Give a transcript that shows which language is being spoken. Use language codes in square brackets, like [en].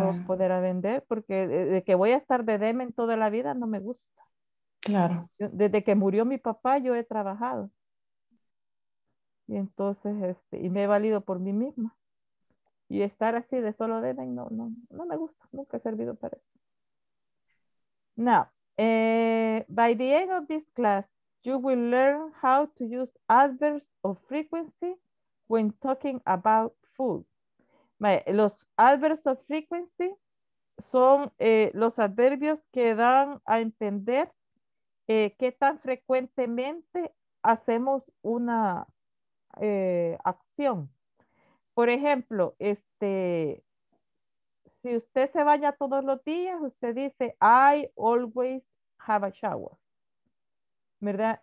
[es] Me voy a poner a vender porque de que voy a estar de demen toda la vida no me gusta. Claro. Desde que murió mi papá yo he trabajado. Y entonces, y me he valido por mí misma. Y estar así de solo de ahí, no, no, no me gusta. Nunca he servido para eso. [en] Now, by the end of this class, you will learn how to use adverbs of frequency when talking about food. [es] Los adverbs of frequency son los adverbios que dan a entender qué tan frecuentemente hacemos una acción. Por ejemplo, si usted se baña todos los días, usted dice, [en] I always have a shower. [es] ¿Verdad?